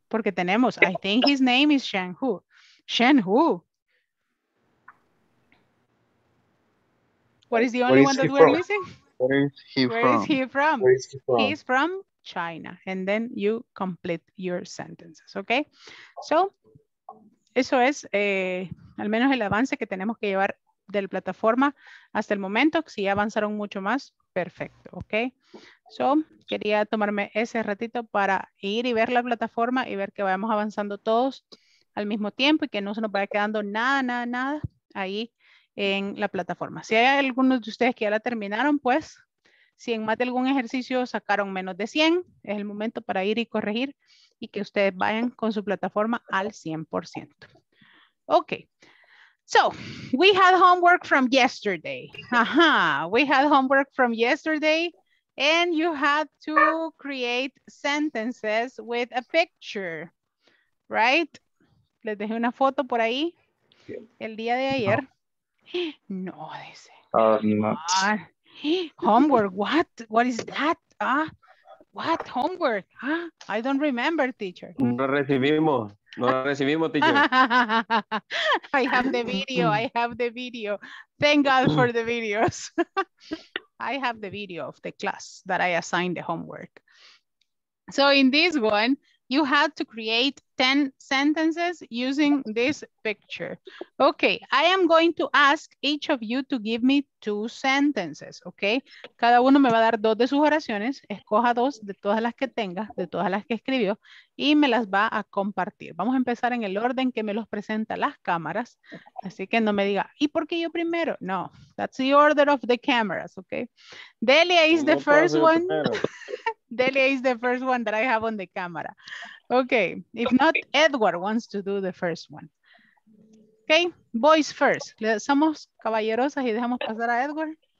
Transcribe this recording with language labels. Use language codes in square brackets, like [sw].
[es] Porque tenemos, [en] I think his name is Shanku. Shanku. What is the only one that we're missing? Where is he from? He's from China, and then you complete your sentences, okay? [es] So, eso es al menos el avance que tenemos que llevar de la plataforma hasta el momento. Si avanzaron mucho más, perfecto, okay? So, quería tomarme ese ratito para ir y ver la plataforma y ver que vayamos avanzando todos al mismo tiempo y que no se nos vaya quedando nada ahí en la plataforma. Si hay algunos de ustedes que ya la terminaron, pues, si en más de algún ejercicio sacaron menos de 100, es el momento para ir y corregir y que ustedes vayan con su plataforma al 100%. [en] Okay, so we had homework from yesterday. We had homework from yesterday and you had to create sentences with a picture, right? [es] Les dejé una foto por ahí el día de ayer. No, no dice. No. [en] Homework, what? What is that? What homework? I don't remember, teacher. [es] No recibimos, teacher. [en] I have the video. I have the video. Thank God for the videos. I have the video of the class that I assigned the homework. So in this one, you had to create 10 sentences using this picture. Okay, I am going to ask each of you to give me 2 sentences, okay? [es] Cada uno me va a dar 2 de sus oraciones, escoja 2 de todas las que tenga, de todas las que escribió, y me las va a compartir. Vamos a empezar en el orden que me los presenta las cámaras, así que no me diga, ¿y por qué yo primero? [en] No, that's the order of the cameras, okay? Delia is the first one. Delia is the first one that I have on the camera. Okay, if not, Edward wants to do the first one. Okay, boys first. [es] Le somos caballerosas y dejamos pasar a Edward.